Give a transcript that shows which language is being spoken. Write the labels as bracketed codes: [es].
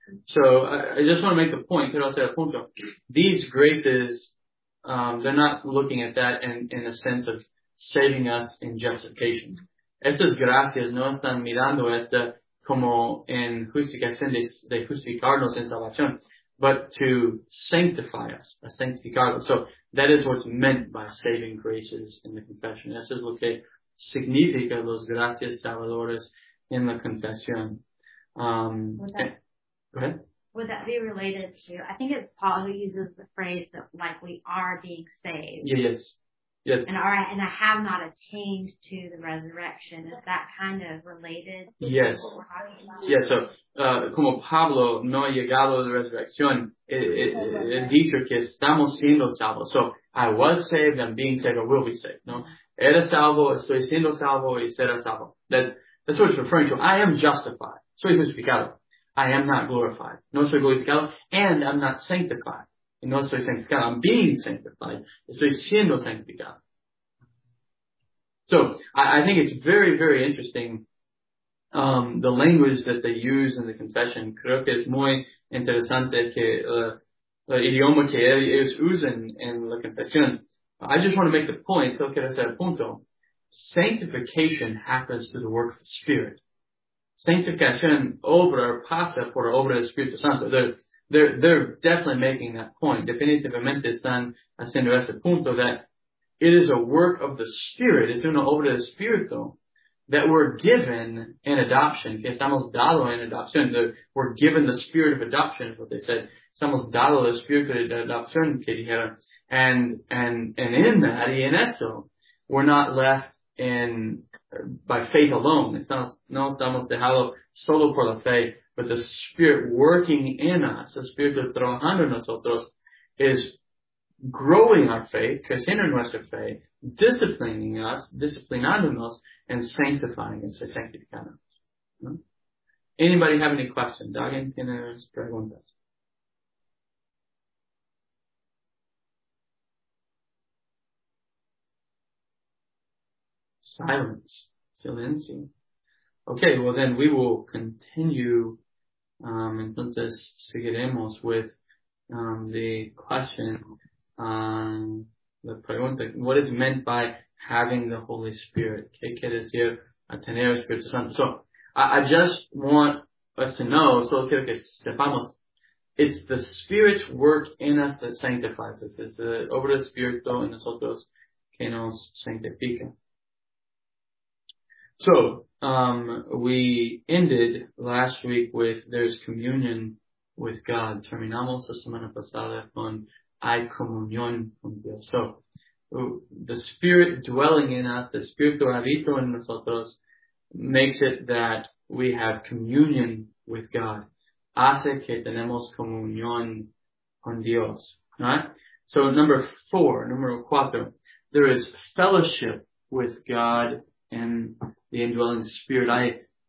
[en] So I just want to make the point, these graces, they're not looking at that in the sense of saving us in justification. [es] Estas gracias no están mirando esta como en justificación de justificarnos en salvación, [en] but to sanctify us, [es] a sanctificarlos. [en] So that is what's meant by saving graces in the confession. [es] Eso es lo que significa los gracias salvadoras en la confesión. [en] Would that be related to, I think it's Paul who uses the phrase that like we are being saved. Yes. And I have not attained to the resurrection. Is that kind of related? Yes. To what we're talking about? Yes. [es] So, como Pablo no ha llegado a la resurrección, dicho que estamos siendo salvos. [en] So, I was saved, I'm being saved, I will be saved. [es] No, era salvo, estoy siendo salvo y será salvo. [en] That's what it's referring to. I am justified. [es] Soy justificado. [en] I am not glorified. [es] No soy glorificado. [en] And I'm not sanctified. [es] Y no soy sanctificado. [en] I'm being sanctified. [es] Estoy siendo sanctificado. [en] So, I think it's very, very interesting, the language that they use in the confession. [es] Creo que es muy interesante que, el idioma que ellos usan en la confesión. [en] I just want to make the point, [es] solo quiero hacer el punto. [en] Sanctification happens through the work of the Spirit. [es] Sanctification obra pasa por obra del Espíritu Santo. [en] They're definitely making that point. [es] Definitivamente están haciendo ese punto [en] that it is a work of the Spirit. [es] Es una obra del Espíritu [en] that we're given in adoption. [es] Que estamos dado en adopción. [en] We're given the Spirit of adoption is what they said. [es] Estamos dado el Espíritu de adopción que dijeron. [en] And in that, [es] y en eso, [en] we're not left in by faith alone. [es] No estamos dejado solo por la fe, [en] but the Spirit working in us, the Spirit [es] trabajando en nosotros, [en] is growing our faith, [es] creciendo nuestra fe, [en] disciplining us, [es] disciplinándonos, [en] and sanctifying us, [es] sanctificándonos. [en] Anybody have any questions? [es] ¿Alguien tiene preguntas? [en] Silence. [es] Silencio. [en] Okay, well then we will continue. [es] Entonces seguiremos [en] with the question. The pregunta, what is meant by having the Holy Spirit? [es] ¿Qué quiere decir a tener el Espíritu Santo? [en] So I just want us to know, [es] solo quiero que sepamos, [en] it's the Spirit's work in us that sanctifies us. It's the [es] obra del Espíritu en nosotros que nos sanctifica. [en] So, we ended last week with there's communion with God. [es] Terminamos la semana pasada con hay comunión con Dios. [en] So, the Spirit dwelling in us, the [es] Espíritu habito en nosotros, [en] makes it that we have communion with God. [es] Hace que tenemos comunión con Dios. [en] Right? So, number cuatro, there is fellowship with God and the indwelling Spirit.